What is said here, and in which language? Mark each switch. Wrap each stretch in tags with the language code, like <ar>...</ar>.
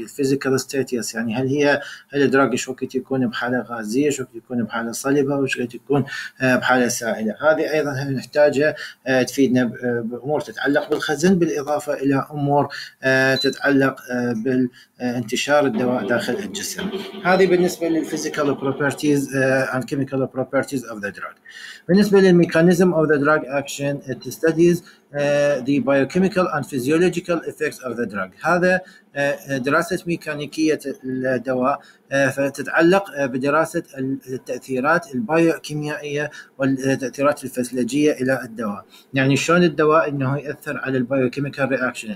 <ar>الفيزيكال ستاتيوس يعني هل هي الدراج شو وقت يكون بحالة غازية، شو وقت يكون بحالة صلبة، وشو وقت يكون بحالة سائلة. هذه أيضا نحتاجها تفيدنا بأمور تتعلق بالخزن بالإضافة إلى أمور تتعلق بالانتشار الدواء داخل الجسم. هذه بالنسبة للفيزيكال بروبرتيز</ar> <en>and chemical properties of the drug.</en> <ar>بالنسبة للميكانيزم</ar> <en>of the drug action, it studies the biochemical and physiological effects of the drug.</en> <ar>هذا دراسة ميكانيكية الدواء فتتعلق بدراسة التأثيرات البيوكيميائية والتأثيرات الفسيولوجية إلى الدواء. يعني شلون الدواء إنه يؤثر على البيوكيميكال رياكشن.</ar>